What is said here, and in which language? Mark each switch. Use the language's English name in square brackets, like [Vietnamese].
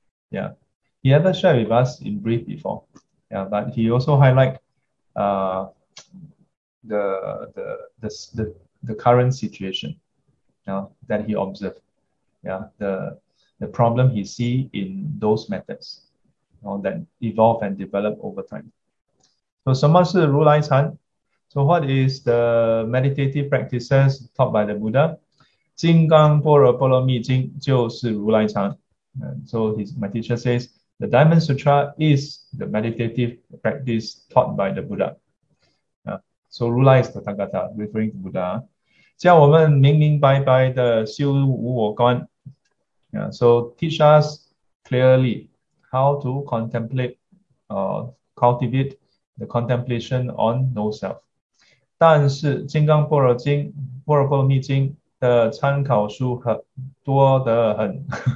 [English] Yeah, he ever shared with us in brief before. Yeah, but he also highlight the current situation, that he observed, the problem he see in those methods, that evolve and develop over time. [Chinese] So 什么是如来禅? [English] So what is the meditative practices taught by the Buddha? [Chinese] 金刚般若波罗蜜经就是如来禅. [English] So my teacher says, the Diamond Sutra is the meditative practice taught by the Buddha. So Rula is the Tathagata, referring to Buddha. [Chinese] 教我们明明白白的修无我观. [English] So teach us clearly how to contemplate, cultivate the contemplation on no self. [Chinese] 但是《金刚般若经》《般若波罗蜜经》的参考书很多得很。